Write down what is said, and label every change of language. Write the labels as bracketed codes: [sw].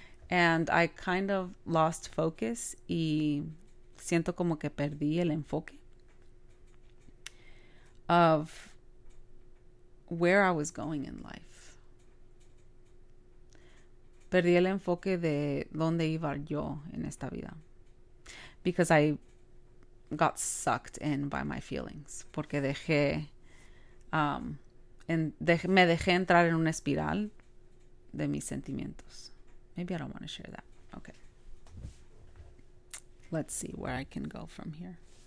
[en] And I kind of lost focus [es] y siento como que perdí el enfoque [en] of where I was going in life. [es] Perdí el enfoque de dónde iba yo en esta vida. [en] Because I got sucked in by my feelings. [es] Porque dejé, me dejé entrar en una espiral de mis sentimientos. [en] Maybe I don't want to share that. Okay. Let's see where I can go from here.